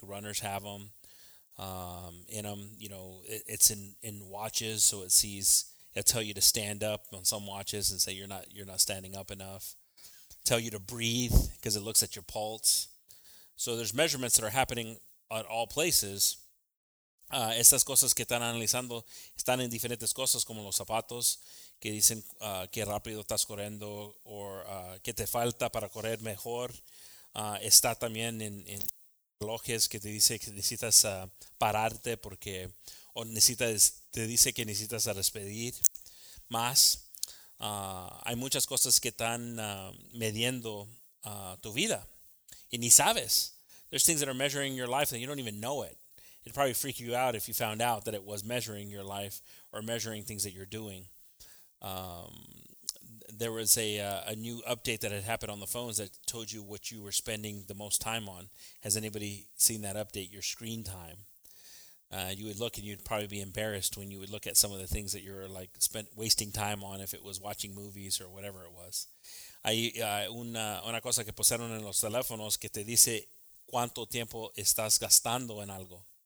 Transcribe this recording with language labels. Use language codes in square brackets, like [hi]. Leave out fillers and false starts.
[en] Runners have them in them. You know, it's in watches, so it sees, it'll tell you to stand up on some watches and say you're not standing up enough. Tell you to breathe because it looks at your pulse. So there's measurements that are happening at all places. [es] Estas cosas que están analizando están en diferentes cosas como los zapatos, que dicen qué rápido estás corriendo o qué te falta para correr mejor. Está también en relojes que te dice que necesitas pararte porque o necesitas, te dice que necesitas despedir más. Hay muchas cosas que están midiendo tu vida y ni sabes. [en] There's things that are measuring your life and you don't even know it. It'd probably freak you out if you found out that it was measuring your life or measuring things that you're doing. There was a new update that had happened on the phones that told you what you were spending the most time on. Has anybody seen that update? Your screen time. You would look and you'd probably be embarrassed when you would look at some of the things that you're like spent wasting time on, if it was watching movies or whatever it was. [es] Hay una cosa que pusieron en los teléfonos que te dice cuánto tiempo estás gastando en algo.